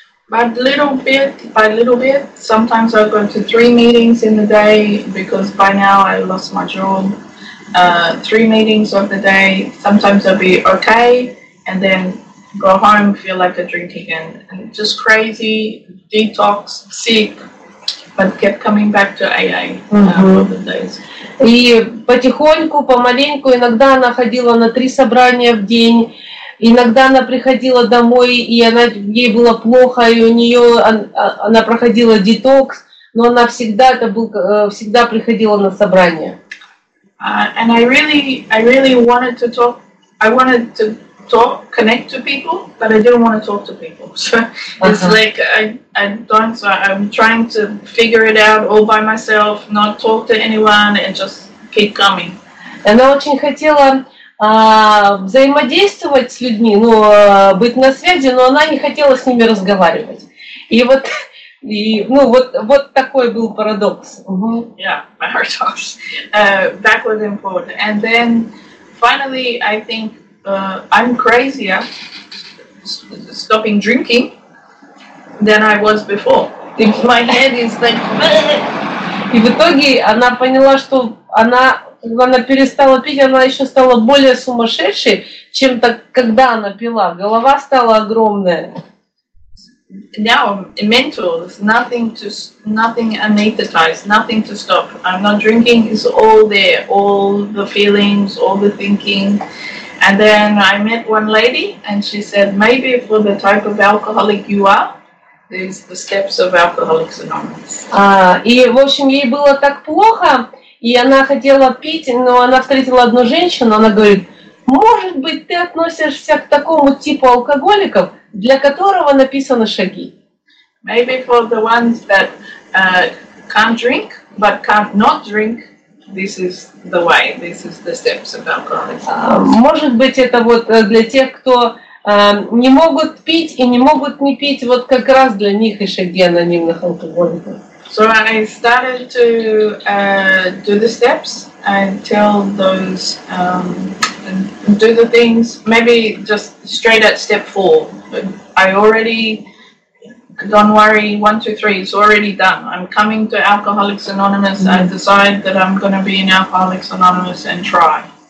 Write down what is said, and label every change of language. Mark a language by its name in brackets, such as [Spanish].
[English] But little bit by little bit, sometimes I go to 3 meetings in the day, because by now I lost my job. 3 meetings of the day, sometimes I'll be okay, and then go home, feel like a drink again, and just crazy, detox, sick, but kept coming back to AA over the days. [Russian] И потихоньку, помаленьку, иногда она ходила на 3 собрания в день, иногда она приходила домой, и ей было плохо, и у нее она проходила детокс, но она всегда приходила на собрания. [English] And I really wanted to talk. I wanted to talk, connect to people, but I didn't want to talk to people. So it's like I don't. So I'm trying to figure it out all by myself, not talk to anyone, and just keep coming. [Russian] Она очень хотела взаимодействовать с людьми, быть на связи, но она не хотела с ними разговаривать. И вот такой был парадокс. [English] Yeah, paradox. That was important. And then finally, I think I'm crazier stopping drinking than I was before. My head is like. [Russian] И в итоге она поняла, что она перестала пить, она еще стала более сумасшедшей, чем так, когда она пила. Голова стала огромная. [English] Now, mental, nothing anesthetized, nothing to stop. I'm not drinking, it's all there, all the feelings, all the thinking. And then I met one lady, and she said, maybe for the type of alcoholic you are, there's the steps of Alcoholics Anonymous. [Russian] И, в общем, ей было так плохо, и она хотела пить, но она встретила одну женщину, она говорит, может быть, ты относишься к такому типу алкоголиков, для которого написаны шаги. [English] Maybe for the ones that can't drink, but can't not drink, this is the way, this is the steps of alcoholism. [Russian] Может быть, это вот для тех, кто не могут пить и не могут не пить, вот как раз для них и шаги анонимных алкоголиков. [English] So I started to do the steps and tell those and do the things, maybe just straight at step 4. I already, don't worry, 1, 2, 3, it's already done. I'm coming to Alcoholics Anonymous. Mm-hmm. I decide that I'm going to be in Alcoholics Anonymous and try.